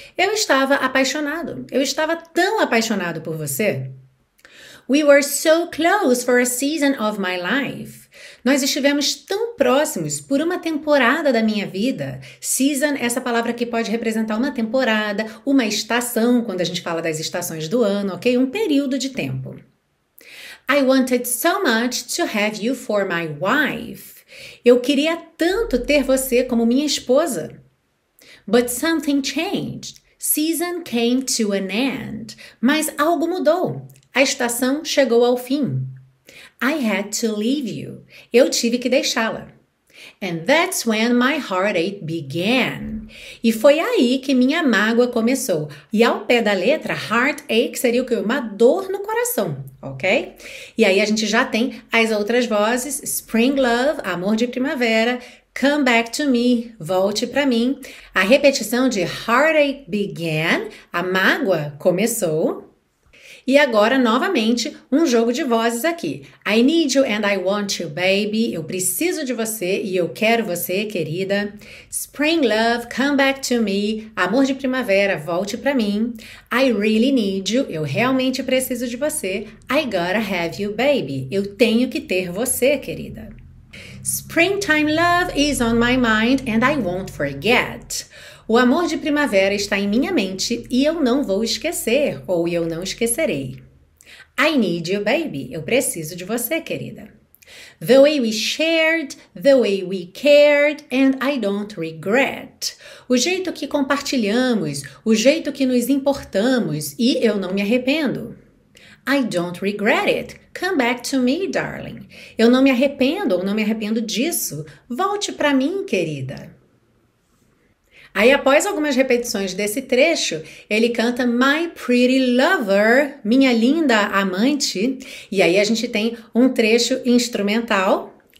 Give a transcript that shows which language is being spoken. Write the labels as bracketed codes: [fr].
[pt] Eu estava apaixonado. Eu estava tão apaixonado por você. [en] We were so close for a season of my life. [pt] Nós estivemos tão próximos por uma temporada da minha vida. Season, essa palavra que pode representar uma temporada, uma estação, quando a gente fala das estações do ano, ok? Um período de tempo. [en] I wanted so much to have you for my wife. [pt] Eu queria tanto ter você como minha esposa. [en] But something changed. Season came to an end. [pt] Mas algo mudou. A estação chegou ao fim. [en] I had to leave you. [pt] Eu tive que deixá-la. [en] And that's when my heartache began. [pt] E foi aí que minha mágoa começou. E ao pé da letra, heartache seria o quê? Uma dor no coração, ok? E aí a gente já tem as outras vozes. [en] Spring love, [pt] amor de primavera. [en] Come back to me, [pt] volte pra mim. A repetição de heartache began, a mágoa começou. E agora, novamente, um jogo de vozes aqui. [en] I need you and I want you, baby. [pt] Eu preciso de você e eu quero você, querida. [en] Spring love, come back to me. [pt] Amor de primavera, volte pra mim. [en] I really need you. [pt] Eu realmente preciso de você. [en] I gotta have you, baby. [pt] Eu tenho que ter você, querida. [en] Springtime love is on my mind and I won't forget. [pt] O amor de primavera está em minha mente e eu não vou esquecer, ou eu não esquecerei. [en] I need you, baby. [pt] Eu preciso de você, querida. [en] The way we shared, the way we cared, and I don't regret. [pt] O jeito que compartilhamos, o jeito que nos importamos, e eu não me arrependo. [en] I don't regret it. Come back to me, darling. [pt] Eu não me arrependo, ou não me arrependo disso. Volte pra mim, querida. Aí, após algumas repetições desse trecho, ele canta My Pretty Lover, minha linda amante. E aí a gente tem um trecho instrumental.